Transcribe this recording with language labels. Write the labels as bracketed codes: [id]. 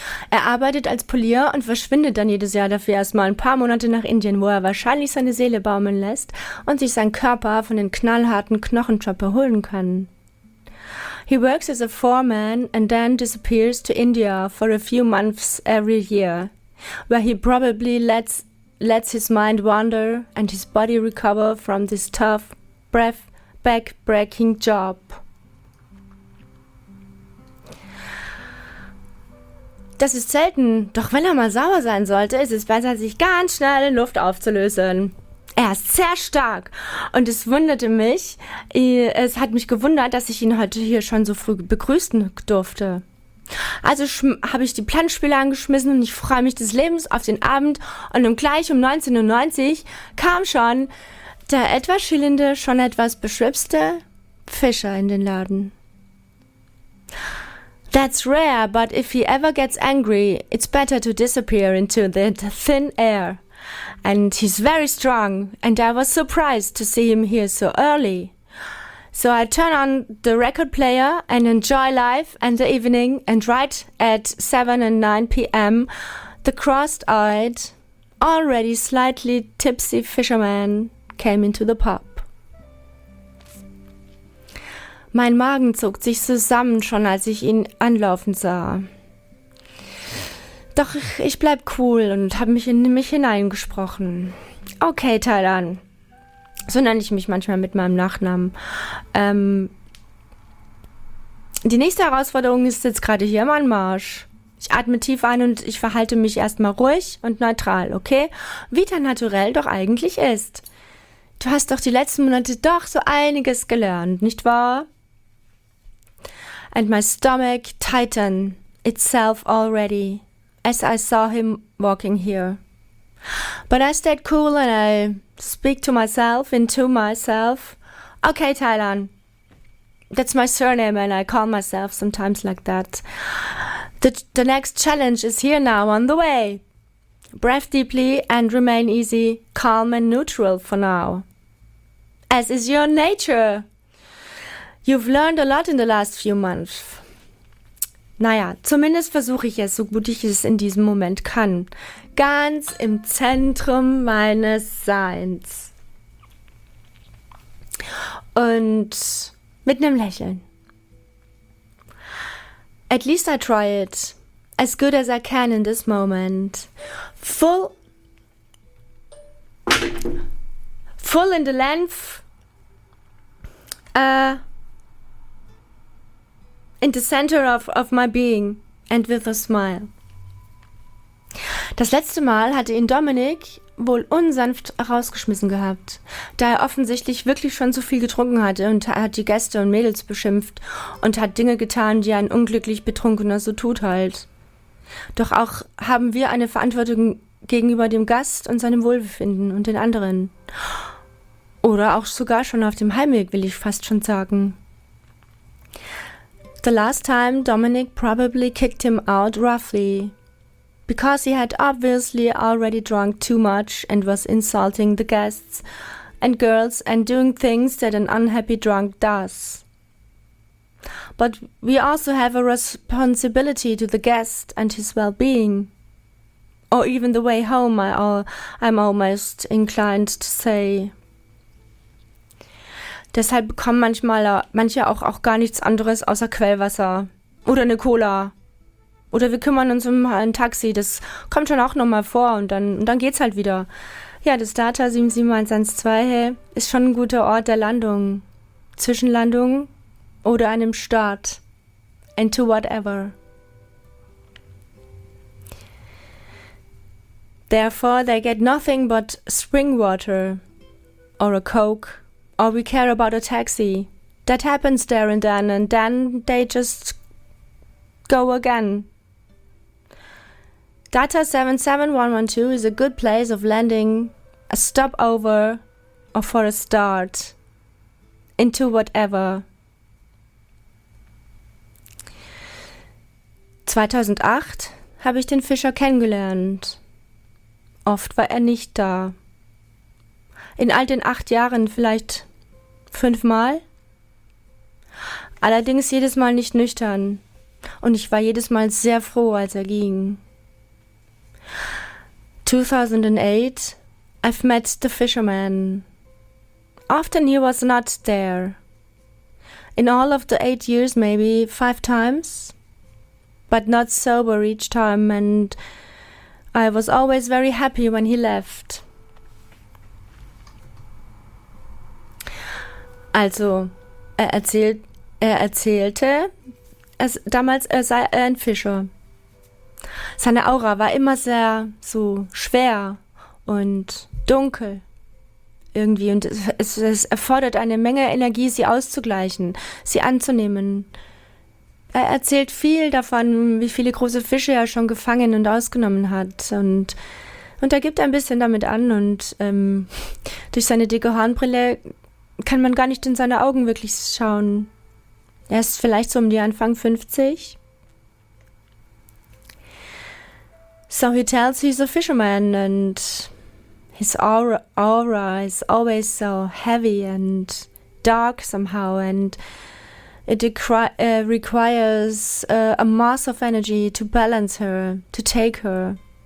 [de] Er arbeitet als Polier und verschwindet dann jedes Jahr dafür erstmal ein paar Monate nach Indien, wo er wahrscheinlich seine Seele baumeln lässt und sich sein Körper von den knallharten Knochenjobs erholen kann. [en] He works as a foreman and then disappears to India for a few months every year, where he probably lets his mind wander and his body recover from this tough, back-breaking job. [de] Das ist selten, doch wenn er mal sauer sein sollte, ist es besser, sich ganz schnell in Luft aufzulösen. Er ist sehr stark und es hat mich gewundert, dass ich ihn heute hier schon so früh begrüßen durfte. Also habe ich die Planspiele angeschmissen und ich freue mich des Lebens auf den Abend und gleich um 19.90 Uhr kam schon der etwas schillende, schon etwas beschwipste Fischer in den Laden. [en] That's rare, but if he ever gets angry, it's better to disappear into the thin air. And he's very strong, and I was surprised to see him here so early. So I turn on the record player and enjoy life and the evening, and right at 7 and 9 p.m., the crossed-eyed, already slightly tipsy fisherman came into the pub. [de] Mein Magen zog sich zusammen, schon als ich ihn anlaufen sah. Doch ich bleib cool und habe mich in mich hineingesprochen. Okay, Thailand. So nenne ich mich manchmal mit meinem Nachnamen. Die nächste Herausforderung ist jetzt gerade hier im Anmarsch. Ich atme tief ein und ich verhalte mich erstmal ruhig und neutral, okay? Wie dein Naturell doch eigentlich ist. Du hast doch die letzten Monate doch so einiges gelernt, nicht wahr? [en] And my stomach tightened itself already as I saw him walking here. But I stayed cool and I speak to myself into myself. Okay, Thailand. That's my surname and I call myself sometimes like that. The next challenge is here now on the way. Breathe deeply and remain easy, calm and neutral for now. As is your nature. You've learned a lot in the last few months. [de] Naja, zumindest versuche ich es, so gut ich es in diesem Moment kann. Ganz im Zentrum meines Seins. Und mit einem Lächeln. [en] At least I try it. As good as I can in this moment. Full in the length. in the center of my being and with a smile. [de] Das letzte Mal hatte ihn Dominik wohl unsanft rausgeschmissen gehabt, da er offensichtlich wirklich schon zu viel getrunken hatte und hat die Gäste und Mädels beschimpft und hat Dinge getan, die ein unglücklich Betrunkener so tut halt. Doch auch haben wir eine Verantwortung gegenüber dem Gast und seinem Wohlbefinden und den anderen. Oder auch sogar schon auf dem Heimweg, will ich fast schon sagen. [en] The last time Dominic probably kicked him out roughly. Because he had obviously already drunk too much and was insulting the guests and girls and doing things that an unhappy drunk does. But we also have a responsibility to the guest and his well-being. Or even the way home, I'm almost inclined to say. [de] Deshalb bekommen manche auch gar nichts anderes außer Quellwasser oder eine Cola. Oder wir kümmern uns um ein Taxi, das kommt schon auch nochmal vor und dann geht's halt wieder. Ja, das Data 77112 ist schon ein guter Ort der Landung. Zwischenlandung oder einem Start. [en] Into whatever. Therefore they get nothing but spring water. Or a Coke. Or we care about a taxi. That happens there and then they just go again. Data 77112 is a good place of landing, a stopover, or for a start, into whatever. [de] 2008 habe ich den Fischer kennengelernt. Oft war er nicht da. In all den 8 Jahren vielleicht 5 Mal? Allerdings jedes Mal nicht nüchtern. Und ich war jedes Mal sehr froh, als er ging. [en] 2008, I've met the fisherman. Often he was not there. In all of the 8 years, maybe 5 times. But not sober each time, and I was always very happy when he left. [de] Also, er erzählte, es damals, er sei ein Fischer. Seine Aura war immer sehr so schwer und dunkel irgendwie und es erfordert eine Menge Energie, sie auszugleichen, sie anzunehmen. Er erzählt viel davon, wie viele große Fische er schon gefangen und ausgenommen hat und er gibt ein bisschen damit an und durch seine dicke Hornbrille kann man gar nicht in seine Augen wirklich schauen. Er ist vielleicht so um die Anfang 50. [en] So he tells he's a fisherman and his aura is always so heavy and dark somehow and it requires a mass of energy to balance her, to take her.